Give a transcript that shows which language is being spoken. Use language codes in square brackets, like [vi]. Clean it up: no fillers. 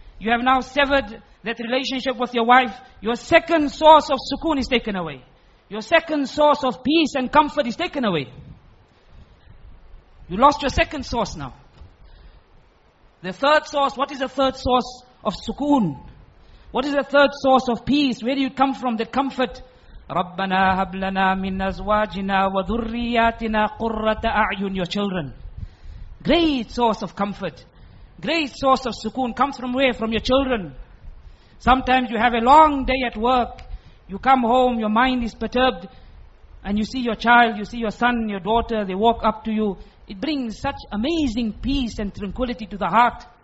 [en] You have now severed that relationship with your wife. Your second source of sukoon is taken away. Your second source of peace and comfort is taken away. You lost your second source now. The third source, what is the third source of sukoon? What is the third source of peace? Where do you come from, that comfort? [ar] رَبَّنَا هَبْلَنَا مِنْ أَزْوَاجِنَا وَذُرِّيَاتِنَا قُرَّةَ أَعْيُنَ [en] Your children. Great source of comfort. Great source of sukoon comes from where? From your children. Sometimes you have a long day at work. You come home, your mind is perturbed. And you see your child, you see your son, your daughter, they walk up to you. It brings such amazing peace and tranquility to the heart.